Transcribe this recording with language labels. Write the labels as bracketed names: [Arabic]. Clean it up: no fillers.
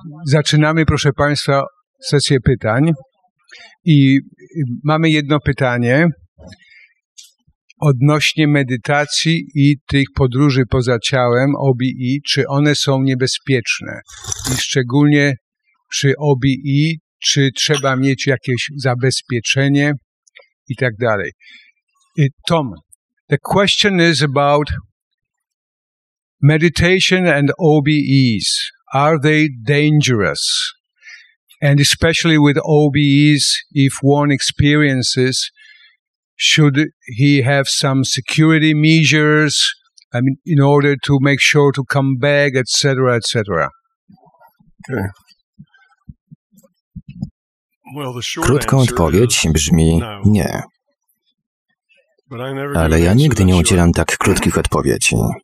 [Polish] Zaczynamy, proszę Państwa, sesję pytań. I mamy jedno pytanie odnośnie medytacji i tych podróży poza ciałem, OBI, czy one są niebezpieczne? I szczególnie przy OBI, czy trzeba mieć jakieś zabezpieczenie i tak dalej. [English] Tom, the question is about meditation and OBEs. Are they dangerous? And especially with OBEs, if one experiences, should he have some security measures, I mean, in order to make sure to come back, etc., etc.? Okay. [Polish] Krótka odpowiedź brzmi nie. Ale ja nigdy nie udzielam tak krótkich odpowiedzi.